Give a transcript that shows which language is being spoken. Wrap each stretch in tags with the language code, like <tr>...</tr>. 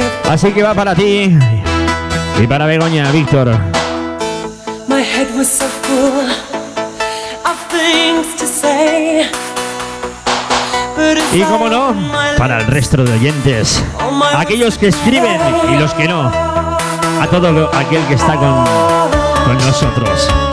<es>Así que va para ti y para Begoña, Víctor.</es> <en>My head was so full of things to say.</en> <es>Y como no, para el resto de oyentes, aquellos que escriben y los que no, a todo aquel que está con nosotros.</es>